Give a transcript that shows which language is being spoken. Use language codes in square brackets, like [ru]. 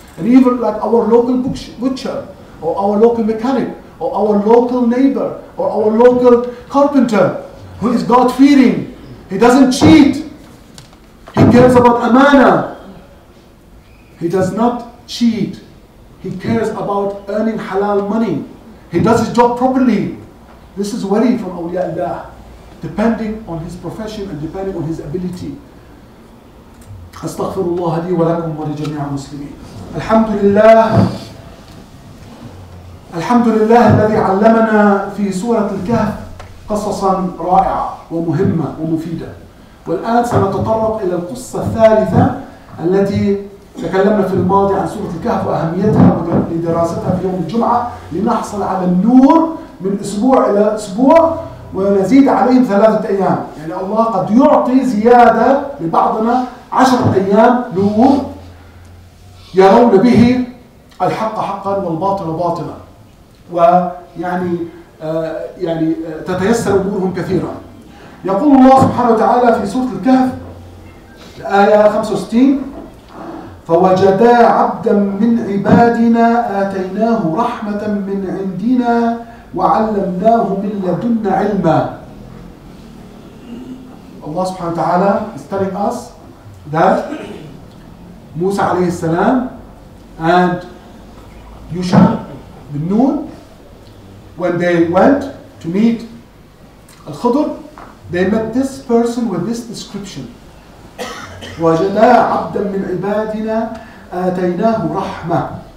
[en] And even like our local butcher, or our local mechanic, or our local neighbor, or our local carpenter, who is God-fearing, he doesn't cheat, he cares about amana, he does not cheat, he cares about earning halal money, he does his job properly. This is wali from awliya Allah, depending on his profession and depending on his ability. [ar] أستغفر الله لي ولكم ولجميع المسلمين. الحمد لله. الحمد لله الذي علمنا في سورة الكهف قصصا رائعة ومهمة ومفيدة. والآن سنتطرق إلى القصة الثالثة التي تكلمنا في الماضي عن سورة الكهف وأهميتها لدراستها في يوم الجمعة لنحصل على النور من أسبوع إلى أسبوع. ونزيد عليهم 3 أيام. يعني الله قد يعطي زيادة لبعضنا 10 أيام نور يرون به الحق حقا والباطل باطلا. ويعني تتيسر أمورهم كثيرا. يقول الله سبحانه وتعالى في سورة الكهف الآية 65: فوجدا عبدا من عبادنا آتيناه رحمة من عندنا وعلمناه من لدنا علما. الله سبحانه وتعالى [en] is telling us that Musa [ar] عليه السلام [en] and يوشع بن نون, when they went to meet الخضر, they met this person with this description: [ar] وجدا عبدا من عبادنا آتيناه رحمة.